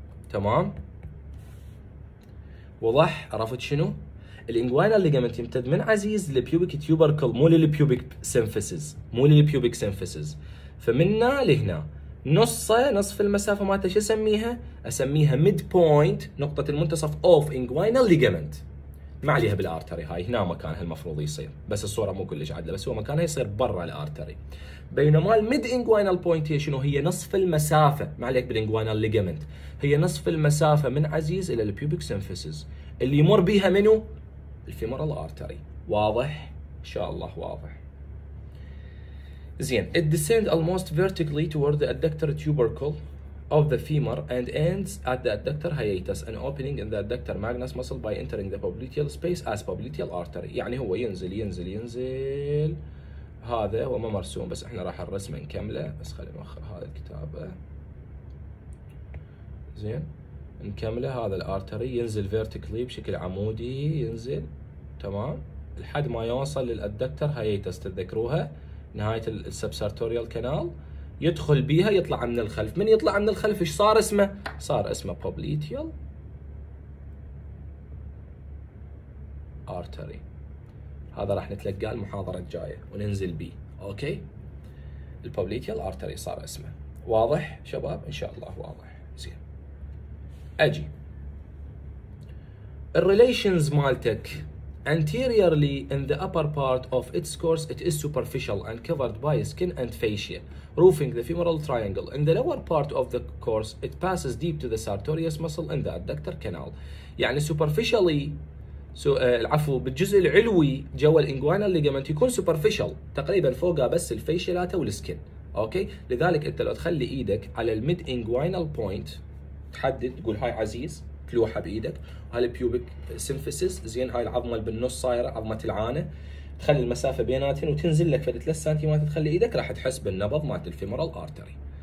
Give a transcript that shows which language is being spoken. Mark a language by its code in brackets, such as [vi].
[ar] تمام، وضح؟ عرفت شنو الانجوينال ليجمنت؟ يمتد من عزيز للبيوبيك تيوبركل، مو للبيوبيك سيمفيسز، مو للبيوبيك سيمفيسز، فمننا لهنا نصف المسافه مالته شو اسميها؟ اسميها ميد بوينت، نقطه المنتصف اوف انجوينال ليجمنت، ما عليها بالارتري، هاي هنا مكانها المفروض يصير، بس الصوره مو كلش عدله، بس هو مكانها يصير برا الارتري. بينما الميد انجوينال بوينت هي شنو؟ هي نصف المسافه، ما عليك بالانجوينال ليجمنت، هي نصف المسافه من عزيز الى البيوبيك سيمفيسز، اللي يمر بيها منو؟ الفيمورال ارتري. واضح؟ ان شاء الله واضح. [en] زين، it descends almost vertically toward the adductor tubercle of the femur and ends at the adductor hiatus, an opening in the adductor magnus muscle by entering the popliteal space as popliteal artery. [ar] يعني هو ينزل ينزل ينزل، هذا هو ما مرسوم، بس احنا راح الرسمه نكمله، بس خلينا نوخر هذا الكتابه. زين، نكمله، هذا الارتري ينزل vertically بشكل عمودي، ينزل تمام لحد ما يوصل للادكتر هيتس، تذكروها نهايه السبسارتوريال كانال، يدخل بيها يطلع من الخلف، من يطلع من الخلف ايش صار اسمه؟ صار اسمه بوبليتيال ارتري. هذا راح نتلقاه المحاضره الجايه وننزل بيه. اوكي، البوبليتيال ارتري صار اسمه. واضح شباب؟ ان شاء الله واضح. [en] زين، [ar] اجي الريليشنز مالتك [en] anteriorly in the upper part of its course it is superficial and covered by skin and fascia roofing the femoral triangle. In the lower part of the course it passes deep to the sartorius muscle in the adductor canal. [ar] يعني superficially العفو بالجزء العلوي جوا الانجوينال ليجمنت يكون superficial، تقريبا فوقها بس الفاشيا لاتا والسكن. اوكي، لذلك انت لو تخلي ايدك على الميد انجوينال بوينت تحدد، تقول هاي عزيز، تلوحها بايدك، هاي البيوبيك سيمفيسز، زين، هاي العظمه اللي بالنص صايره عظمه العانه، تخلي المسافه بيناتهم وتنزل لك فد 3 سم، تخلي ايدك راح تحس بالنبض مالت الفيمورال ارتري.